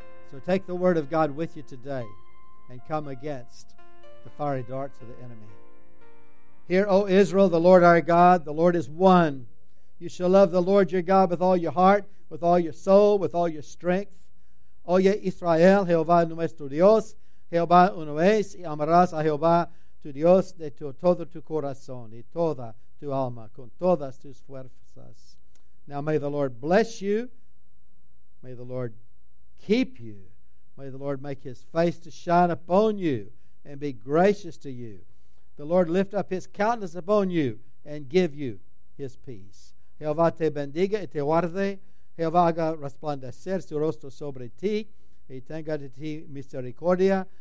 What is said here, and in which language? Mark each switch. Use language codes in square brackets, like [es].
[en] So take the Word of God with you today and come against the fiery darts of the enemy. Hear, O Israel, the Lord our God, the Lord is one. You shall love the Lord your God with all your heart, with all your soul, with all your strength. [es] Oye Israel, Jehová nuestro Dios, Jehová uno es, y amarás a Jehová tu Dios de todo tu corazón y toda tu alma con todas tus fuerzas. [en] Now may the Lord bless you. May the Lord keep you. May the Lord make His face to shine upon you and be gracious to you. The Lord lift up His countenance upon you and give you His peace. [es] Jehová te bendiga y te guarde. Jehová haga resplandecer su rostro sobre ti y tenga de ti misericordia.